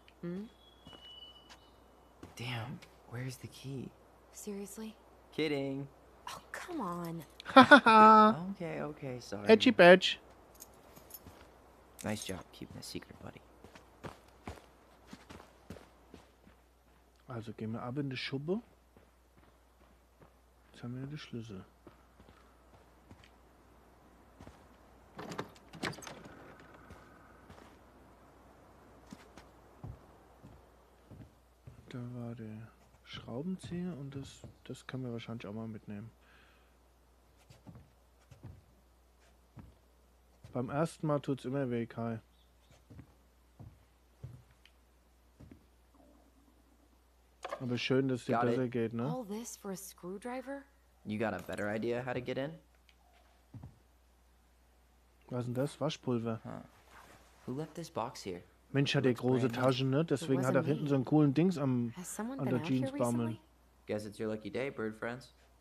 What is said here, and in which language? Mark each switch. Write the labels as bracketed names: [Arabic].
[English] Hmm? Damn, where's the key? Seriously? Kidding. Oh, come on. Okay, okay, sorry. Edgy bitch. Nice job keeping a secret, buddy. [German] Also, gehen wir ab in die Schuppe. Jetzt haben wir den Schlüssel. Da war der Schraubenzieher und das können wir wahrscheinlich auch mal mitnehmen. Beim ersten Mal tut's immer weh, Kai. Aber schön, dass dir besser geht, ne? [English] All this for a screwdriver? You got a better idea how to get in? [German] Was ist denn das? Waschpulver. [English] Who left this box here? [German] Mensch, hat er große Taschen, ne? Deswegen hat er hinten so einen coolen Dings am an der Jeans baumeln. [English] Guess it's your lucky day, bird friends.